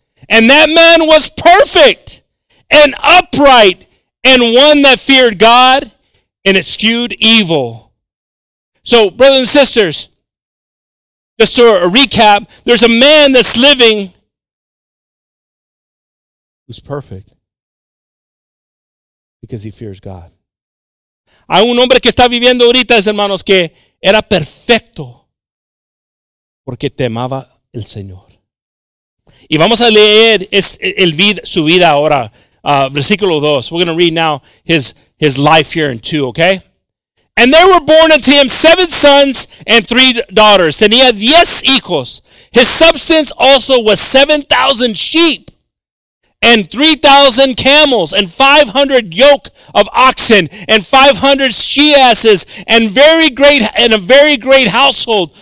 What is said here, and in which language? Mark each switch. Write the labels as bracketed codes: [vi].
[en] And that man was perfect and upright and one that feared God and eschewed evil. So brothers and sisters, just for a recap, there's a man that's living who's perfect because he fears God. [es] Hay un hombre que está viviendo ahorita, hermanos, que era perfecto porque temaba el Señor. Y vamos a leer su vida ahora, versículo 2. [en] We're going to read now his life here in 2, okay? And there were born unto him 7 sons and 3 daughters. [es] Tenía 10 hijos. [en] His substance also was 7,000 sheep. And 3,000 camels, and 500 yoke of oxen, and 500 she-asses, and a very great household.